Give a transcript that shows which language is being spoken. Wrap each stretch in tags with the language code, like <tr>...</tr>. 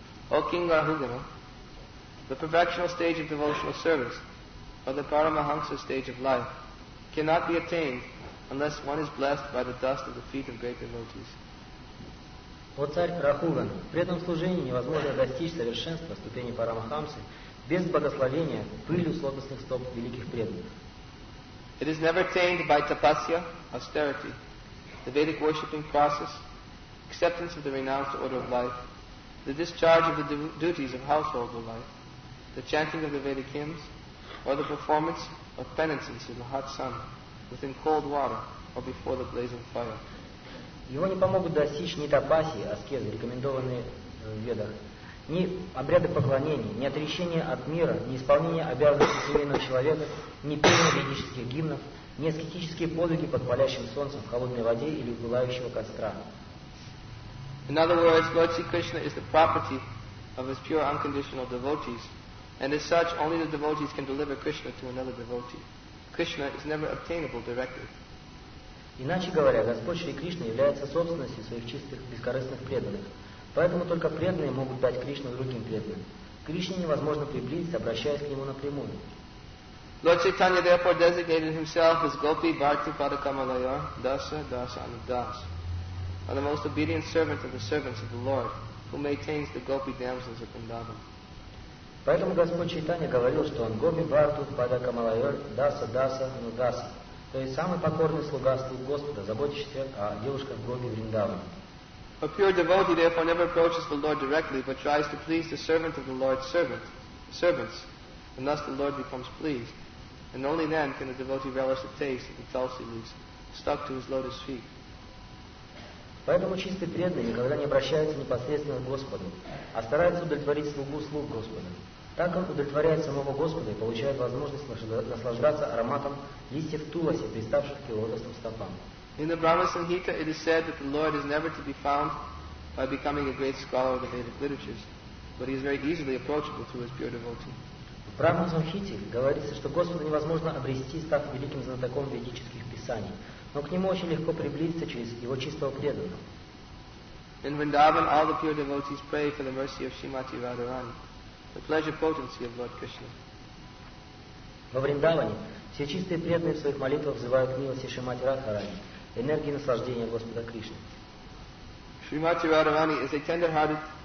<en>O King Rahugana, the perfectional stage of devotional service, or the Paramahamsa stage of life, cannot be attained unless one is blessed by the dust of the feet of great devotees.</en> <ru>О царь Рахуган, при этом служении невозможно достичь совершенства ступени Парамахамсы без благословения пылью с лотосных стоп великих преданных.</ru> <en>It is never attained by tapasya, austerity, the Vedic worshipping process, acceptance of the renounced order of life, the discharge of the duties of household life, the chanting of the Vedic hymns, or the performance of penances in the hot sun, within cold water or before the blazing fire.</en> <ru>Его не помогут достичь ни тапаси, аскезы, рекомендованные в ведах, ни обряды поклонения, ни отречения от мира, ни исполнение обязанностей семейного человека, ни пение ведических гимнов, ни аскетические подвиги под палящим солнцем в холодной воде или у пылающего костра.</ru> <en>In other words, Lord Sri Krishna is the property of his pure unconditional devotees, and as such, only the devotees can deliver Krishna to another devotee. Krishna is never obtainable directly.</en> <ru>Иначе говоря, Господь Шри Кришна является собственностью своих чистых, бескорыстных преданных. Поэтому только преданные могут дать Кришну другим преданным. Кришне невозможно приблизиться, обращаясь к Нему напрямую.</ru> <en>Lord Chaitanya therefore designated Himself as Gopi Bharti Pada Kamalaya Dasa Dasa Anudas, the most obedient servant of the servants of the Lord, who maintains the gopi damsels of Vrindavan.</en> <ru>Поэтому Господь Чайтанья говорил, что он Гопи Барту Пада Камалайор Даса Даса Нугаса. То есть самый покорный слуга Господа, заботящийся о девушках Гопи Вриндаван.</ru> <en>A pure devotee therefore never approaches the Lord directly, but tries to please the servant of the Lord's servants, and thus the Lord becomes pleased. And only then can the devotee relish the taste of the tulsi leaves stuck to his lotus feet.</en> <ru>Поэтому чистый преданный никогда не обращается непосредственно к Господу, а старается удовлетворить слугу слуг Господа. Так он удовлетворяет самого Господа и получает возможность наслаждаться ароматом листьев туласи, приставших к его лотосным стопам.</ru> <en>In the Brahma Sanhita it is said that the Lord is never to be found by becoming a great scholar of the Vedic literatures, but he is very easily approachable through his pure devotee.</en> <ru>В Брахма Санхите говорится, что Господа невозможно обрести, став великим знатоком ведических писаний, но к нему очень легко приблизиться через его чистого преданного.</ru> <en>In Vrindavan all the pure devotees pray for the mercy of Shrimati Radharani, the pleasure potency of Lord Krishna.</en> <ru>Во Вриндаване все чистые преданные в своих молитвах взывают к милости Шримати Радхарани, энергии наслаждения Господа Кришны.</ru> <en>Шримати Радхарани is a tender-hearted...</en>